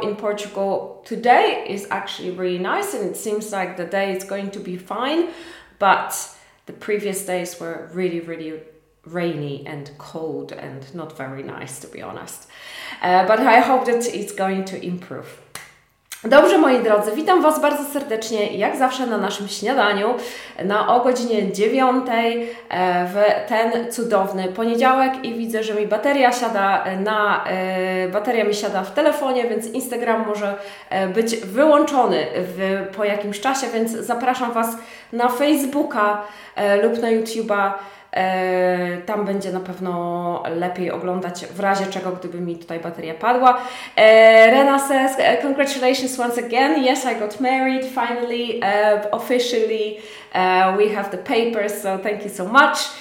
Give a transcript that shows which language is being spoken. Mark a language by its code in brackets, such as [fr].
[en] In Portugal, today is actually really nice and it seems like the day is going to be fine. But the previous days were really, really rainy and cold and not very nice, to be honest. But I hope that it's going to improve. [pl] Dobrze, moi drodzy, witam Was bardzo serdecznie, jak zawsze na naszym śniadaniu, o godzinie 9 w ten cudowny poniedziałek i widzę, że mi bateria siada bateria mi siada w telefonie, więc Instagram może być wyłączony po jakimś czasie, więc zapraszam Was na Facebooka lub na YouTube'a. Tam będzie na pewno lepiej oglądać w razie czego, gdyby mi tutaj bateria padła. [en] Rena says, congratulations once again. Yes, I got married finally, officially. We have the papers, so thank you so much.